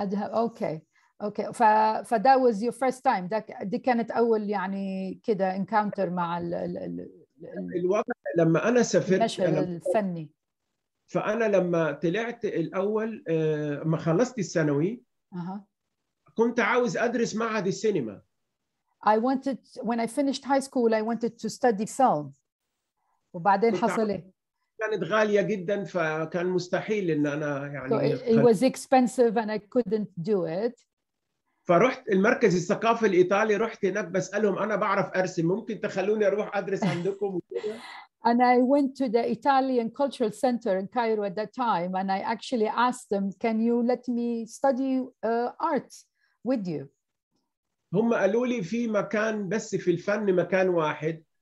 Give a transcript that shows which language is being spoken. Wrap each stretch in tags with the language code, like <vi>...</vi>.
<en>Okay. That was your first time. That was your first time encounter with the</en> <ar>فأنا لما طلعت الأول ما خلصت الثانوي كنت عاوز أدرس معهد السينما.</ar> <en>I wanted when I finished high school I wanted to study film.</en> <ar>وبعدين حصل إيه؟ كانت غالية جدا فكان مستحيل إن أنا</ar> <en>It was expensive and I couldn't do it.</en> <ar>فرحت المركز الثقافي الإيطالي رحت هناك بسألهم أنا بعرف أرسم ممكن تخلوني أروح أدرس عندكم.</ar> <en>And I went to the Italian Cultural Center in Cairo at that time, and I actually asked them, "Can you let me study art with you?"</en> <ar>هم قالوا لي في مكان بس في الفن مكان واحد.</ar>